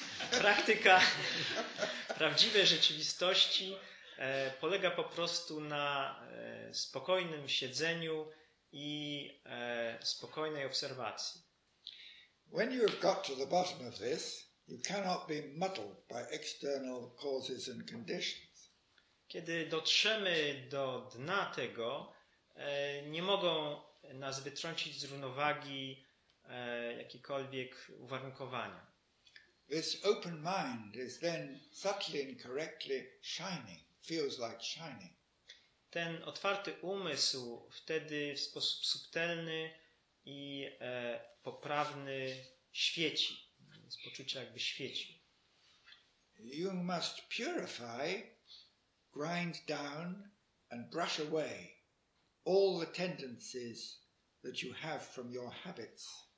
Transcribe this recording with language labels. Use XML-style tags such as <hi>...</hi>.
<pl>Praktyka prawdziwej rzeczywistości polega po prostu na spokojnym siedzeniu i spokojnej obserwacji.</pl> <en>When you have got to the bottom of this, you cannot be muddled by external causes and conditions.</en> <pl>Kiedy dotrzemy do dna tego, nie mogą nas wytrącić z równowagi jakiekolwiek uwarunkowania.</pl> <en>This open mind is then subtly and correctly shining, feels like shining.</en> <pl>Ten otwarty umysł wtedy w sposób subtelny i poprawny świeci, z poczucia jakby świeci.</pl> <en>You must purify, grind down and brush away all the tendencies that you have from your habits.</en>